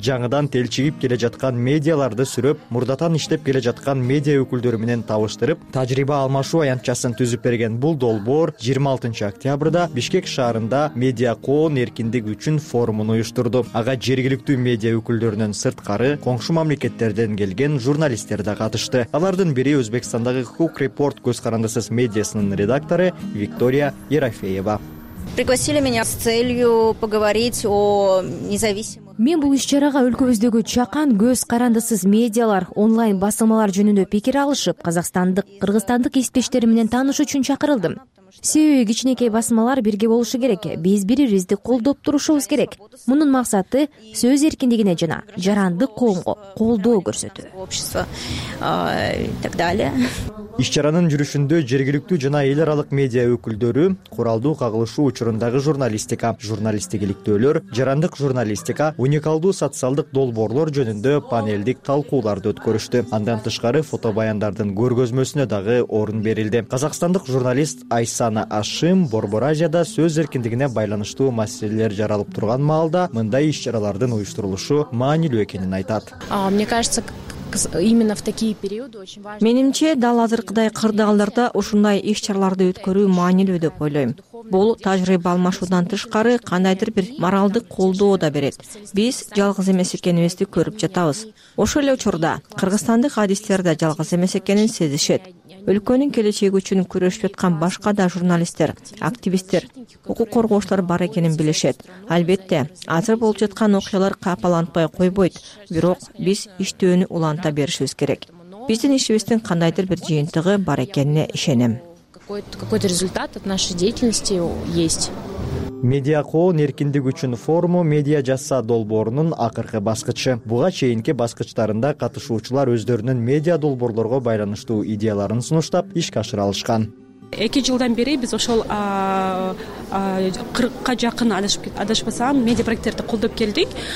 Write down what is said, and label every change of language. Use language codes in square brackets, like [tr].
[ky] Жаңыдан тел чигип келе жаткан медиаларды сүрөп, мурдатан иштеп келе жаткан медиа өкүлдөрү менен табыштырып, тажрыйба алмашуу аянтчасын түзүп берген бул долбоор 26 октябрда Бишкек шаарында медиа коон эркиндик үчүн форумун уюштурду. Ага жергиликтүү медиа өкүлдөрүнөн сырткары коңшу мамлекеттерден келген журналисттер да катышты. Алардын бири Өзбекстандагы Хук Репорт көз карандысыз медиасынын редактору Виктория Ерофеева. [ru] Пригласили меня с целью поговорить о независимости. [ky] Мен бул иш чарага өлкөбүздөгү чакан көз карандысыз медиалар, онлайн басылмалар жөнүндө пикир алышып, казакстандык, кыргызстандык кесиптештери менен тааныш үчүн чакырылдым. Себеби кичинекей басмалар бирге болушу керек, биз бири-бирибизди колдоп турушубуз керек. Мунун максаты сөз эркиндигине жана жарандык коомго колдоо көрсөтүү. Иш-чаранын жүрүшүндө жергиликтүү жана эл аралык медиа өкүлдөрү, куралдуу кагылышуу учурундагы журналистика, журналисттик иликтөөлөр, жарандык журналистика, уникалдуу социалдык долбоорлор жөнүндө панелдик талкууларды өткөрүштү. Андан тышкары фотобаяндардын көргөзмөсүнө дагы орун берилди. Казакстандык журналист Айсана Ашым Борбор Азияда сөз эркиндигине байланыштуу маселелер жаралып турган маалда мындай иш-чаралардын уюштурулушу маанилүү экенин айтат. [ru] Мне кажется, именно в такие периоды очень важно. [ky] Менимче дал азыркыдай кырдаалдарда ушундай иш-чараларды өткөрүү маанилүү деп ойлойм. Бул тажрыйба алмашуудан тышкары кандайдыр бир моралдык колдоо да берет. Биз жалгыз эмес экенибизди көрүп жатабыз. Ошол эле учурда кыргызстандык адистер да жалгыз эмес экенин сезишет. Өлкөнүн келечеги үчүн күрөшүп жаткан башка да журналисттер, активисттер, укук коргоочулар бар экенин билишет. Албетте, азыр болуп жаткан окуялар капалантпай койбойт, бирок биз иштөөнү уланта беришибиз керек. Биздин ишибиздин кандайдыр бир жыйынтыгы бар экенине ишенем. [ru] Какой-то результат от нашей деятельности есть. [ky] Медиа коон эркиндиги үчүн форуму медиа жаса долбоорунун акыркы баскычы. Буга чейинки баскычтарында катышуучулар өздөрүнүн медиа долбоорлорго байланыштуу идеяларын сунуштап ишке ашыра алышкан. 2 жылдан бери биз ошол 40ка жакын адашпасам медиа проекттерди колдоп келдик.